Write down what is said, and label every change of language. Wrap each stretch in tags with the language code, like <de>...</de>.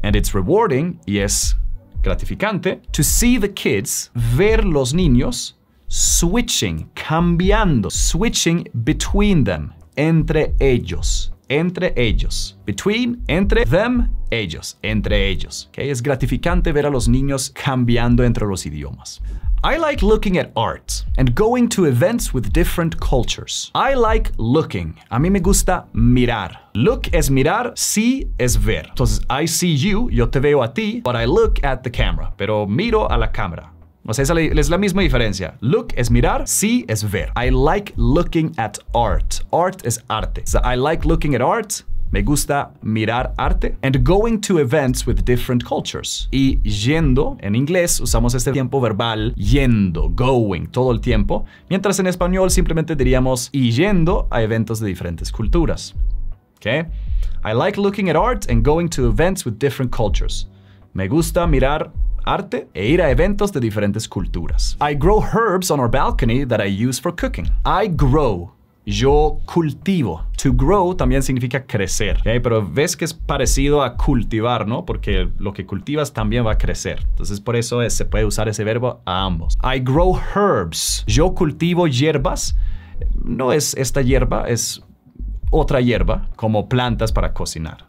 <en>And it's rewarding,</en> <es>y es gratificante,</es> <en>to see the kids,</en> <es>ver los niños,</es> <en>switching, cambiando, switching between them,</en> <es>entre ellos. Entre ellos. Between, entre them, ellos. Entre ellos. Okay? Es gratificante ver a los niños cambiando entre los idiomas.</es> <en>I like looking at art and going to events with different cultures. I like looking.</en> <es>A mí me gusta mirar. Look es mirar, see es ver.</es> <en>Entonces, I see you,</en> <es>yo te veo a ti,</es> <en>but I look at the camera.</en> <es>Pero miro a la cámara. O sea, esa es la misma diferencia. Look es mirar, see es ver.</es> <en>I like looking at art.</en> <es>Art es arte.</es> <en>So I like looking at art.</en> <es>Me gusta mirar arte.</es> <en>And going to events with different cultures.</en> <es>Y yendo, en inglés usamos este tiempo verbal, yendo, going, todo el tiempo. Mientras en español simplemente diríamos y yendo a eventos de diferentes culturas.</es> <en>Okay? I like looking at art and going to events with different cultures.</en> <es>Me gusta mirar arte e ir a eventos de diferentes culturas.</es> <en>I grow herbs on our balcony that I use for cooking. I grow.</en> <es>Yo cultivo. To grow también significa crecer. Okay? Pero ves que es parecido a cultivar, ¿no? Porque lo que cultivas también va a crecer. Entonces, por eso se puede usar ese verbo a ambos.</es> <en>I grow herbs.</en> <es>Yo cultivo hierbas. No es esta hierba, es otra hierba, como plantas para cocinar.</es>